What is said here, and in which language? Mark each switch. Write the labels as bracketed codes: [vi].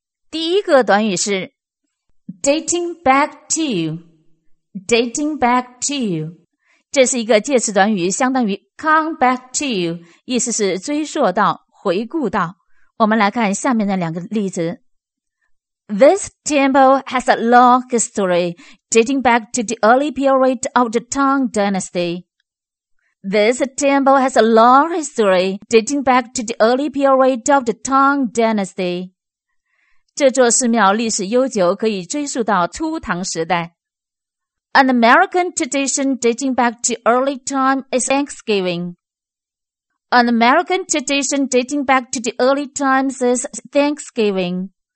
[zh] 第一个短语是 dating back to， dating back to， 这是一个介词短语，相当于 come back to， 意思是追溯到、回顾到。我们来看下面的两个例子。 [en] This temple has a long history dating back to the early period of the Tang Dynasty. This temple has a long history dating back to the early period of the Tang Dynasty. [zh] 这座寺庙历史悠久，可以追溯到初唐时代。 [en] An American tradition dating back to early time is Thanksgiving. An American tradition dating back to the early times is Thanksgiving.